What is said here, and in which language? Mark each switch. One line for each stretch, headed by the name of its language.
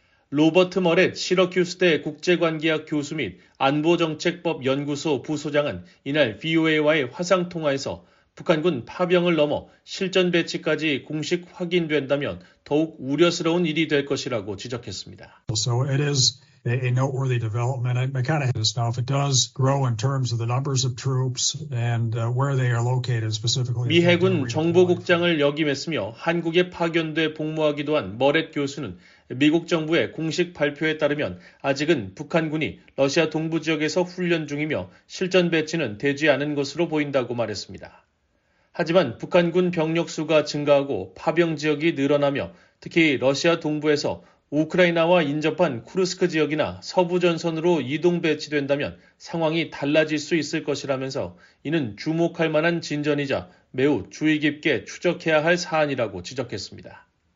Korean: 로버트 머렛 시러큐스대 국제관계학 교수 및 안보정책법연구소 부소장은 이날 VOA와의 화상통화에서 북한군 파병을 넘어 실전 배치까지 공식 확인된다면 더욱 우려스러운 일이 될 것이라고 지적했습니다.
English: So it is a noteworthy development. I kind of hit this now. If it does grow in terms of the numbers of troops and where they are located specifically.
Korean: 미 해군 정보국장을 역임했으며 한국에 파견돼 복무하기도 한 머렛 교수는 미국 정부의 공식 발표에 따르면 아직은 북한군이 러시아 동부 지역에서 훈련 중이며 실전 배치는 되지 않은 것으로 보인다고 말했습니다. 하지만 북한군 병력 수가 증가하고 파병 지역이 늘어나며 특히 러시아 동부에서 우크라이나와 인접한 쿠르스크 지역이나 서부 전선으로 이동 배치된다면 상황이 달라질 수 있을 것이라면서 이는 주목할 만한 진전이자 매우 주의 깊게 추적해야 할 사안이라고 지적했습니다.